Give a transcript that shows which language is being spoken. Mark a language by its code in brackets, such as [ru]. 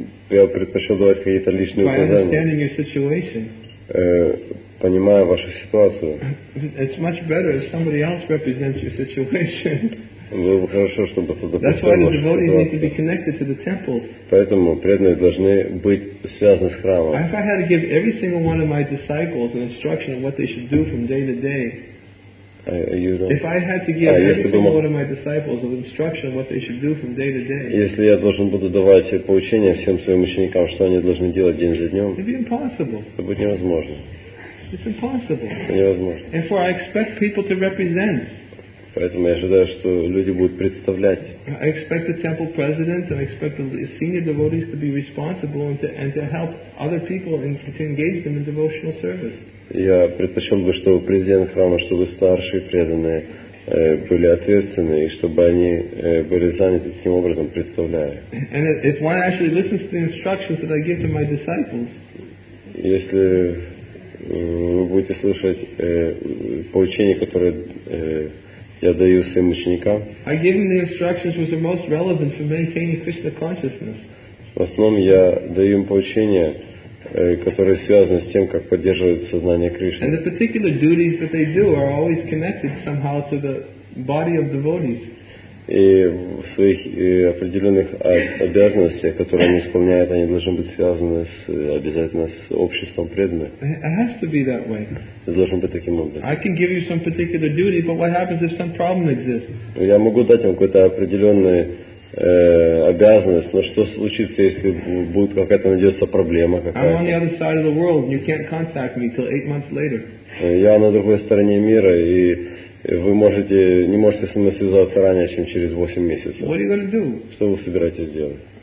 [ru] Я предпочел давать какие-то личные указания. [en] By understanding your situation. [ru] Понимая вашу ситуацию. [en] It's much better if somebody else represents your situation. [ru] Было бы хорошо, чтобы кто-то представил. Поэтому преданные должны быть связаны с храмом. [en] If I had to give every single one of my disciples an instruction of what they should do from day to day. If I had to give every single one of my disciples an instruction of what they should do from day to day. [ru] Если я должен буду давать поучения всем своим ученикам, что они должны делать день за днем. [en] It'd be impossible. [ru] Это будет невозможно. [en] It's impossible. [ru] Невозможно. [en] Therefore, I expect people to represent. [ru] Поэтому я ожидаю, что люди будут представлять. [en] I expect the temple president and I expect the senior devotees to be responsible and to help other people and to engage them in devotional service. [ru] Я предпочел бы, чтобы президент храма, чтобы старшие преданные были ответственны и чтобы они были заняты таким образом, представляя. [en] And if one actually listens to the instructions that I give to my disciples. [ru] Если вы будете слушать поучения, которые я даю своим ученикам. [en] I give them the instructions which are most relevant for maintaining Krishna consciousness. [ru] В основном я даю им поучения, которые связаны с тем, как поддерживать сознание Кришны. [en] And the particular duties that they do are always connected somehow to the body of devotees. [ru] И в своих определенных обязанностях, которые они исполняют, они должны быть связаны с, обязательно с обществом преданных. [en] It has to be that way. [ru] Это должно быть таким образом. [en] I can give you some particular duty, but what happens if some problem exists? [ru] Я могу дать вам какую-то определенную обязанность, но что случится, если будет какая-то найдется проблема какая-то? [en] I'm on the other side of the world, and you can't contact me till 8 months later. [ru] Я на другой стороне мира и вы можете, не можете со мной связаться ранее, чем через 8 месяцев. [en] What are you going to do? [ru] Что вы собираетесь сделать?